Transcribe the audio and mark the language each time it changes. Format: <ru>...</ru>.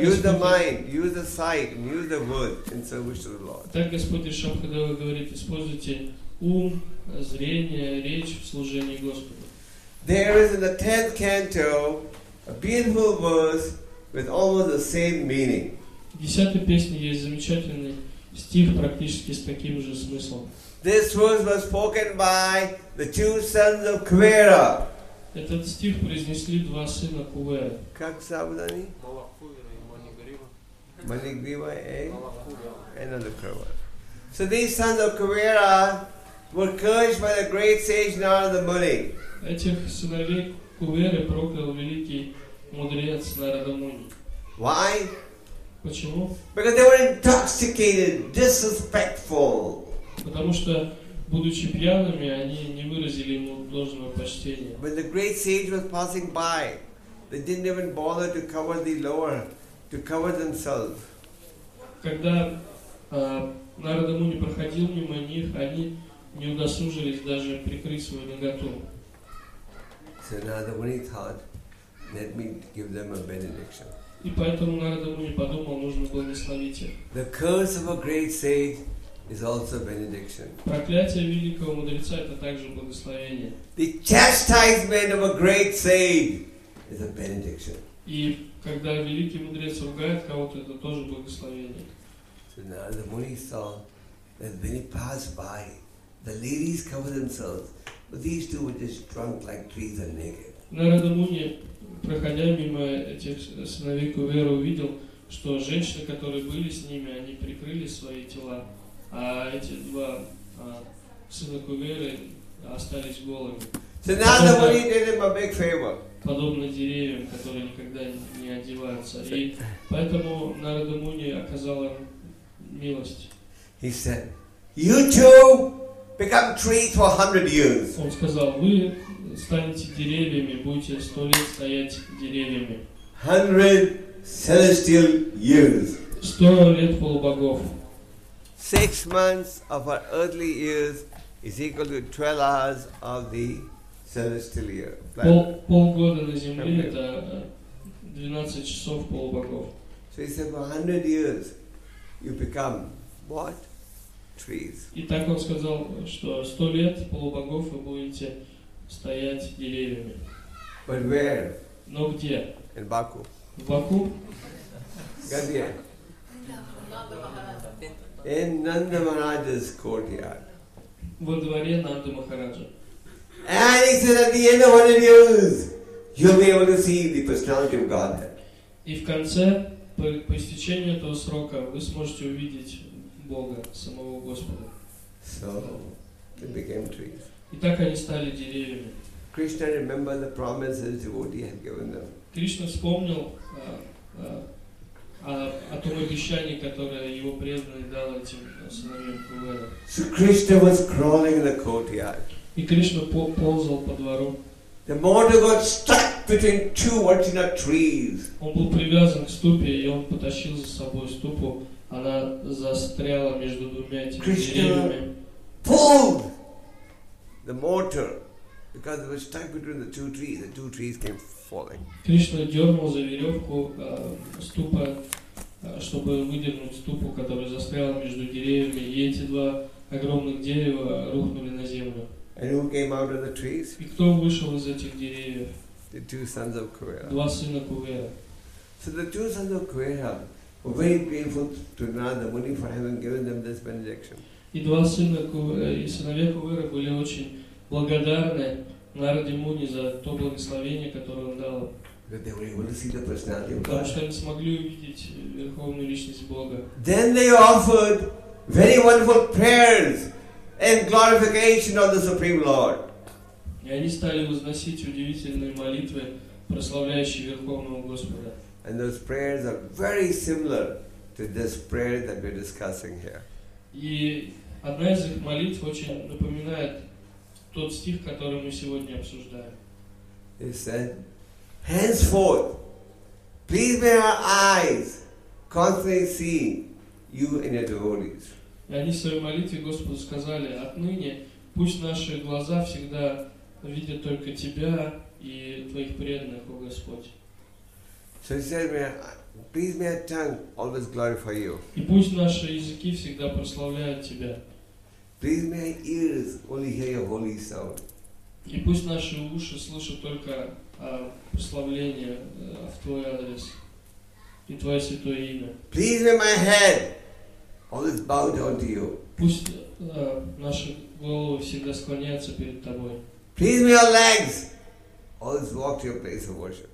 <en>use the mind, use the sight, and use the words in service to the Lord.</en> <ru>Так Господь Ришабхадева говорит, используйте ум, зрение, речь в служении Господу.</ru> <en>There is in the 10th canto a beautiful verse with almost the same meaning.</en> <ru>В 10-й песне есть замечательный стих практически с таким же смыслом.</ru> <en>This verse was spoken by the two sons of Kuvera.</en> <ru>Этот стих произнесли два сына Кувера. Как зовут они? Малакхуера и Манигрива. Малакхуера.</ru> <en>And so these sons of Kuvera were cursed by the great sage Narada Muni.</en> <ru>Этих сыновей Куверы проклял великий мудрец Нарада Муни.</ru> <en>Why?</en> <ru>Почему?</ru> <en>Because they were intoxicated, disrespectful.</en> <ru>Потому что, будучи пьяными, они не выразили ему должного почтения.</ru> <en>When the great sage was passing by, they didn't even bother to cover the lower, to cover themselves.</en> <ru>Когда Нарада Муни проходил мимо них, они не удосужились даже прикрыть свою наготу.</ru> <en>So Narada Muni thought, let me give them a benediction.</en> <ru>И поэтому Нарада Муни подумал, нужно благословить их.</ru> <en>The curse of a great sage is also benediction.</en> <ru>Проклятие великого мудреца это также благословение.</ru> <en>The chastisement of a great sage is a benediction.</en> <ru>И когда великий мудрец ругает кого-то, это тоже благословение.</ru> <en>So Narada Muni saw that when he passed by, the ladies covered themselves. But these two were just drunk like trees and naked.</en> <ru>Нарада Муни, проходя мимо этих сыновей Кувера, увидел, что женщины, которые были с ними, они прикрыли свои тела, а эти два сына Куверы остались голыми.</ru> <en>So Narada Muni did him a big favor.</en> <ru>Подобно деревьям, которые никогда не одеваются. И поэтому Нарада Муни оказал им милость.</ru> <en>He said, "You two become trees for 100 years.</en> <ru>Он сказал, вы станете деревьями, будете 100 лет стоять деревьями.</ru> <en>100 celestial years.</en> <ru>100 лет полубогов.</ru> <en>6 months of our earthly years is equal to 12 hours of the celestial year.</en> <ru>Полгода на земле это 12 часов полубогов.</ru> <en>So he said, for 100 years, you become what? Trees.</en> <ru>И так он сказал, что 100 лет полубогов вы будете стоять деревьями.</ru> <en>But where?</en> <ru>Но где?</ru> <en>In Baku.</en> <ru>В Баку? Где?</ru> <en>In Nanda Maharaja's courtyard.</en> <ru>Во дворе Нанда Махараджа.</ru> <en>And he said, at the end of 100 years, you'll be able to see the personality of Godhead.</en> <ru>И в конце, по истечению этого срока, вы сможете увидеть Бога, самого Господа.</ru> <en>So, they became trees.</en> <ru>И так они стали деревьями.</ru> <en>Krishna remembered the promises his devotee had given them.</en> <ru>Кришна вспомнил о том обещании, которое его преданный дал этим сыновьям Кувера.</ru> <en>So Krishna was crawling in the courtyard.</en> <ru>И Кришна ползал по двору.</ru> <en>The mortal got stuck between two Vajra trees.</en> <ru>Он был привязан к ступе, и он потащил за собой ступу. Она застряла между двумя этими деревьями.</ru> <en>Pulled the mortar because it was stuck between the two trees. The two trees came falling.</en> <ru>Кришна дернул за веревку ступа, чтобы выдернуть ступу, которая застряла между деревьями. И эти два огромных дерева рухнули на землю.</ru> <en>And who came out of the trees?</en> <ru>И кто вышел из этих деревьев?</ru> <en>The two sons of Kuvera.</en> <ru>Два сына Кувера.</ru> <en>So the two sons of Kuvera were very grateful to Narada Muni for having given them this benediction.</en> <ru>И два сына и сыновья Кувера были очень благодарны Нараде Муни за то благословение, которое он дал.</ru> <en>That they were able to see the personality of God.</en> <ru>Потому что они смогли увидеть верховную личность Бога.</ru> <en>Then they offered very wonderful prayers and glorification of the Supreme Lord.</en> <ru>И они стали возносить удивительные молитвы, прославляющие Верховного Господа.</ru> <en>And those prayers are very similar to this prayer that we're discussing here.</en> <ru>И одна из их молитв очень напоминает тот стих, который мы сегодня обсуждаем.</ru> <en>He said, henceforth, please may our eyes constantly see you in your devotees.</en> <ru>И они в своей молитве Господу сказали, отныне пусть наши глаза всегда видят только Тебя и Твоих преданных, о Господь. И пусть наши языки всегда прославляют Тебя.</ru> <en>Please may ears only hear your holy sound.</en> <ru>И пусть наши уши слышат только прославление в Твой адрес и Твое святое имя.</ru> <en>Please may my head always bow down to you.</en> <ru>Пусть наши головы всегда склоняются перед Тобой.</ru> <en>Please may our legs always walk to your place of worship.</en>